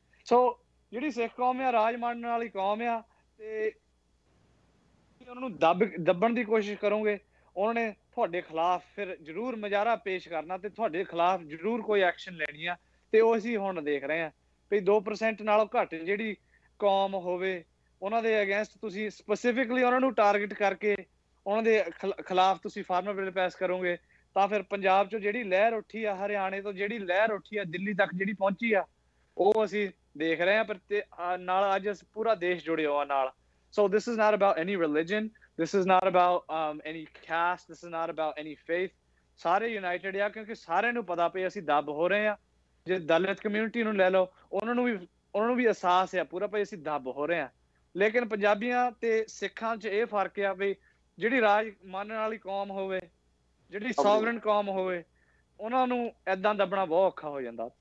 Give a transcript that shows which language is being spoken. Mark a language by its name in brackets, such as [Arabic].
[Punjabi] ਸੋ ਜਿਹੜੀ ਸਿੱਖ ਕੌਮ ਆ ਰਾਜ ਮੰਨਣ ਵਾਲੀ ਕੌਮ ਆ, ਤੇ ਉਹਨਾਂ ਨੂੰ ਦੱਬਣ ਦੀ ਕੋਸ਼ਿਸ਼ ਕਰੋਗੇ, ਉਹਨਾਂ ਨੇ ਤੁਹਾਡੇ ਖਿਲਾਫ਼ ਫਿਰ ਜ਼ਰੂਰ ਮੁਜ਼ਾਹਰਾ ਪੇਸ਼ ਕਰਨਾ ਅਤੇ ਤੁਹਾਡੇ ਖਿਲਾਫ਼ ਜ਼ਰੂਰ ਕੋਈ ਐਕਸ਼ਨ ਲੈਣੀ ਆ, ਅਤੇ ਉਹ ਅਸੀਂ ਹੁਣ ਦੇਖ ਰਹੇ ਹਾਂ ਵੀ 2% ਨਾਲੋਂ ਘੱਟ ਜਿਹੜੀ ਕੌਮ ਹੋਵੇ ਉਹਨਾਂ ਦੇ ਅਗੇਂਸਟ ਤੁਸੀਂ ਸਪੈਸੀਫਿਕਲੀ ਉਹਨਾਂ ਨੂੰ ਟਾਰਗੇਟ ਕਰਕੇ ਉਹਨਾਂ ਦੇ ਖਿਲਾਫ਼ ਤੁਸੀਂ ਫਾਰਮਰ ਬਿੱਲ ਪਾਸ ਕਰੋਗੇ, ਤਾਂ ਫਿਰ ਪੰਜਾਬ 'ਚੋਂ ਜਿਹੜੀ ਲਹਿਰ ਉੱਠੀ ਆ, ਹਰਿਆਣੇ ਤੋਂ ਜਿਹੜੀ ਲਹਿਰ ਉੱਠੀ ਆ, ਦਿੱਲੀ ਤੱਕ ਜਿਹੜੀ ਪਹੁੰਚੀ ਆ, ਉਹ ਅਸੀਂ ਦੇਖ ਰਹੇ ਹਾਂ, ਪਰ ਨਾਲ ਅੱਜ ਪੂਰਾ ਦੇਸ਼ ਜੁੜਿਆ ਆ ਨਾਲ। [English] so this is not about any religion, this is not about any caste, this is not about any faith, [Punjabi] ਸਾਰੇ ਯੂਨਾਈਟਿਡ ਆ ਕਿਉਂਕਿ ਸਾਰਿਆਂ ਨੂੰ ਪਤਾ ਪਏ ਅਸੀਂ ਦੱਬ ਹੋ ਰਹੇ ਹਾਂ। ਜੇ ਦਲਿਤ ਕਮਿਊਨਿਟੀ ਨੂੰ ਲੈ ਲਓ, ਉਹਨਾਂ ਨੂੰ ਵੀ ਅਹਿਸਾਸ ਆ ਪੂਰਾ ਭਾਈ ਅਸੀਂ ਦੱਬ ਹੋ ਰਹੇ ਹਾਂ। ਲੇਕਿਨ ਪੰਜਾਬੀਆਂ ਤੇ ਸਿੱਖਾਂ 'ਚ ਇਹ ਫਰਕ ਆ ਵੀ ਜਿਹੜੀ ਰਾਜ ਮੰਨਣ ਵਾਲੀ ਕੌਮ ਹੋਵੇ, ਜਿਹੜੀ ਸੋਵਰਨ ਕੌਮ ਹੋਵੇ, ਉਹਨਾਂ ਨੂੰ ਏਦਾਂ ਦੱਬਣਾ ਬਹੁਤ ਔਖਾ ਹੋ ਜਾਂਦਾ।